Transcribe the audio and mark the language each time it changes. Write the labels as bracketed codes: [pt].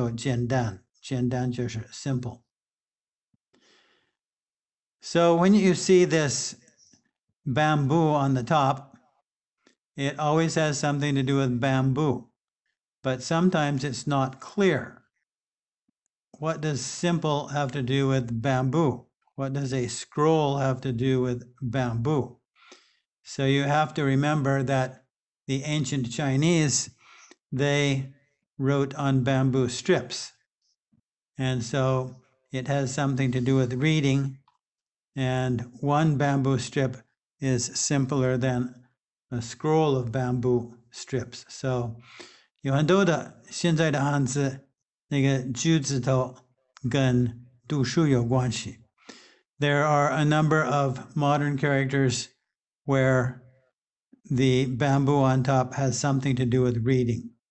[zh] 可是这个就是在这边就是个表音符号。我们也有可以用这个字说简单。现在现代的中国人他们都会说简单，简单就是simple. [en] So when you see this bamboo on the top, it always has something to do with bamboo, but sometimes it's not clear. What does simple have to do with bamboo? What does a scroll have to do with bamboo? So you have to remember that the ancient Chinese, they wrote on bamboo strips. And so it has something to do with reading. And one bamboo strip is simpler than a scroll of bamboo strips. [zh] So, 有很多的现在的汉字, 那个句子头跟读书有关系. [en] There are a number of modern characters where the bamboo on top has something to do with reading.